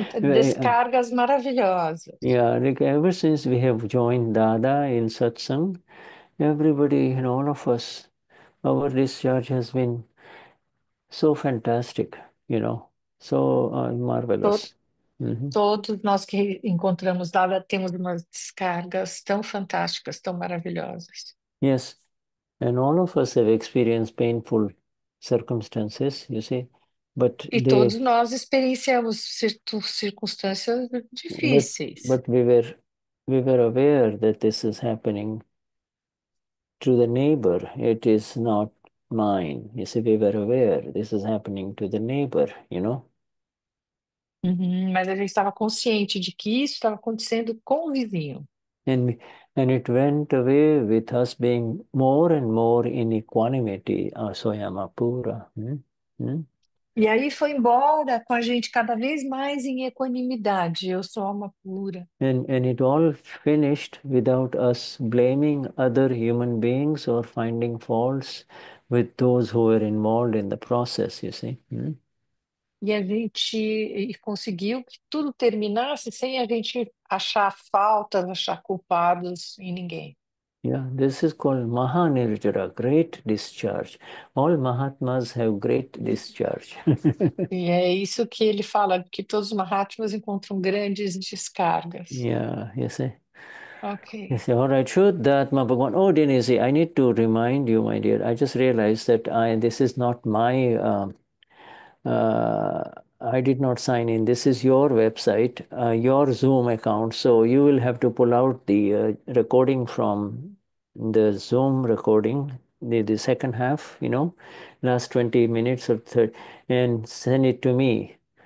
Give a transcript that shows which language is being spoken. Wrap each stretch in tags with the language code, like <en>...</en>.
<pt>descargas maravilhosas.</pt> <en>ever since we have joined Dada in Satsang, everybody, you know, all of us, our discharge has been so fantastic, you know, so marvelous.</en> <pt>Todos nós que encontramos Dada temos umas descargas tão fantásticas, tão maravilhosas.</pt> <en>Yes, and all of us have experienced painful circumstances, you see. But</en> <pt>E todos nós experienciamos circunstâncias difíceis.</pt> <en>we were aware that this is happening to the neighbor. It is not mine. You see, we were aware this is happening to the neighbor, you know?</en> <pt>Mas a gente estava consciente de que isso estava acontecendo com o vizinho.</pt> <en>And it went away with us being more and more in equanimity, our soyama pura.</en> <pt>E aí foi embora com a gente cada vez mais em equanimidade. Eu sou alma pura.</pt> <en>And it all finished without us blaming other human beings or finding faults with those who were involved in the process, you see.</en> <pt>E a gente conseguiu que tudo terminasse sem a gente achar faltas, achar culpados em ninguém.</pt> <en>Yeah, this is called Mahanirjara, great discharge. All Mahatmas have great discharge.</en> <pt>E é isso que ele fala, que todos os Mahatmas encontram grandes descargas.</pt> <en>Yeah, you see. You Ok. see, all right, Shuddhatma Bhagavan. Oh, Denize, I need to remind you, my dear. I just realized that this is not my, I did not sign in. This is your website, your Zoom account. So you will have to pull out the recording from the Zoom recording, the second half, you know, last 20 minutes or third, and send it to me.</en>